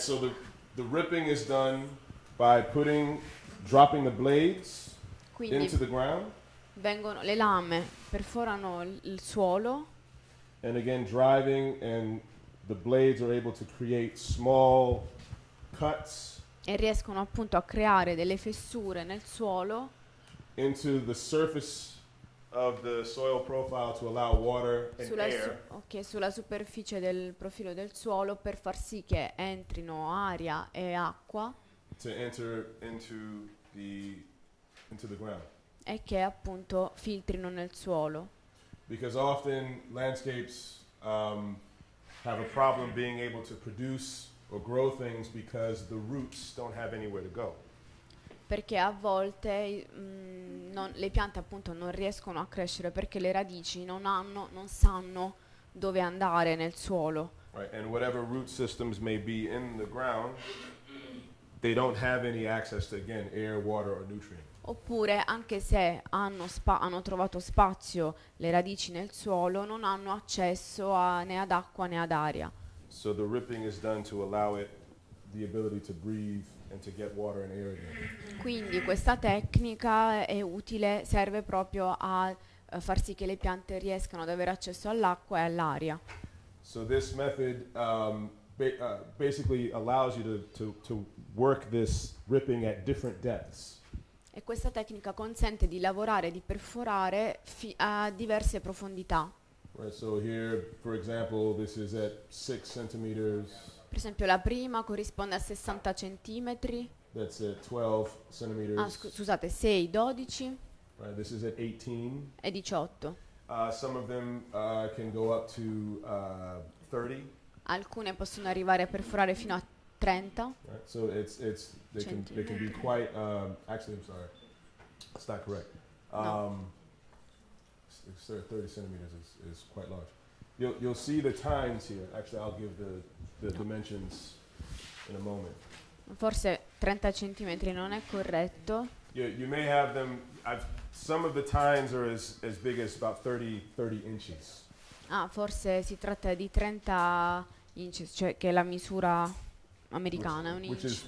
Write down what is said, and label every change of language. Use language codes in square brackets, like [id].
[en] So the ripping is done by dropping the blades. [it] Quindi [en] into the ground. [it] Vengono le lame, perforano il suolo. [en] And again, driving and the blades are able to create small cuts. [it] E riescono appunto a creare delle fessure nel suolo. [en] Into the surface of the soil profile to allow water and air. [it] Ok, sulla superficie del profilo del suolo per far sì che entrino aria e acqua. [en] To enter into the ground. [it] E che appunto filtrino nel suolo. [en] Because often landscapes have a problem being able to produce or grow things because the roots don't have anywhere to go. [it] Perché a volte le piante appunto non riescono a crescere perché le radici non sanno dove andare nel suolo. [en] Right, and whatever root systems may be in the ground, they don't have any access to, again, air, water or nutrients. [it] Oppure anche se hanno trovato spazio le radici nel suolo, non hanno accesso né ad acqua né ad aria. [en] So the ripping is done to allow it the ability to breathe and to get water and air again. [it] Quindi questa tecnica è utile, serve proprio a far sì che le piante riescano ad avere accesso all'acqua e all'aria. [en] So this method basically allows you to work this ripping at different depths. [it] E questa tecnica consente di lavorare, di perforare a diverse profondità. [en] Right, so here, for example, this is at 6 centimeters. [it] Per esempio, la prima corrisponde a 60 centimetri. [en] That's at 12 centimeters. [it] Ah, scusate, 6, 12. [en] Right, this is at 18. [it] È 18. [en] Some of them can go up to 30. [it] Alcune possono arrivare a perforare fino a 30. [en] Right, so it's they can be quite actually, I'm sorry. It's not correct. No. 30 centimeters is quite large. You'll see the tines here. Actually, I'll give the no. dimensions in a moment. [it] Forse 30 centimetri non è corretto. [en] You may have them. Some of the tines are as big as about 30 inches. [it] Ah, forse si tratta di 30 inches, cioè che è la misura americana, un inch.